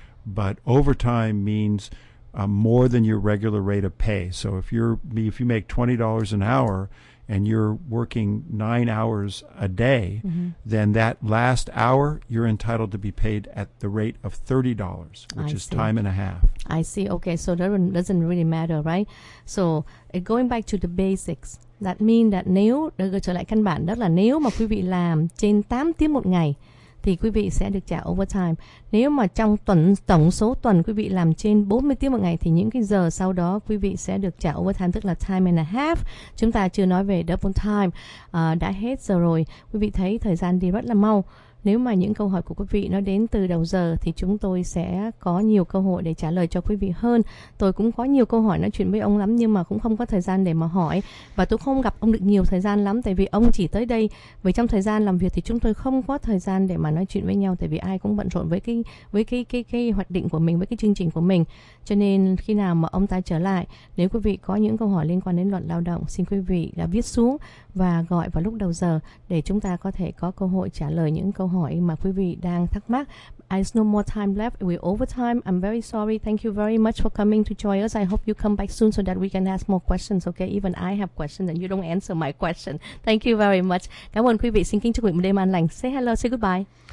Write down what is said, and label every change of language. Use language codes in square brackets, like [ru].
[en] But overtime means more than your regular rate of pay. So if you make $20 an hour and you're working 9 hours a day, mm-hmm. then that last hour you're entitled to be paid at the rate of $30, which is time and a half. I see. Okay, so that doesn't really matter, right? So going back to the basics, that means that [vi] nếu trở lại căn bản, đó là nếu mà quý vị làm trên 8 tiếng một ngày thì quý vị sẽ được trả overtime. Nếu mà trong tổng số tuần quý vị làm trên 40 tiếng một ngày thì những cái giờ sau đó quý vị sẽ được trả overtime, tức là time and a half. Chúng ta chưa nói về double time, đã hết giờ rồi. Quý vị thấy thời gian đi rất là mau. Nếu mà những câu hỏi của quý vị nó đến từ đầu giờ thì chúng tôi sẽ có nhiều cơ hội để trả lời cho quý vị hơn. Tôi cũng có nhiều câu hỏi nói chuyện với ông lắm nhưng mà cũng không có thời gian để mà hỏi. Và tôi không gặp ông được nhiều thời gian lắm tại vì ông chỉ tới đây. Vì trong thời gian làm việc thì chúng tôi không có thời gian để mà nói chuyện với nhau tại vì ai cũng bận rộn với cái hoạch định của mình, với cái chương trình của mình. Cho nên khi nào mà ông ta trở lại, nếu quý vị có những câu hỏi liên quan đến luật lao động, xin quý vị đã viết xuống và gọi vào lúc đầu giờ để chúng ta có thể có cơ hội trả lời những câu hỏi mà quý vị đang thắc mắc. [en] There's no more time left. We're over time. I'm very sorry. Thank you very much for coming to join us. I hope you come back soon so that we can ask more questions. Okay? Even I have questions and you don't answer my question. Thank you very much. [vi] Cảm ơn quý vị. Xin kính chúc quý vị một đêm an lành. [en] Say hello. Say goodbye.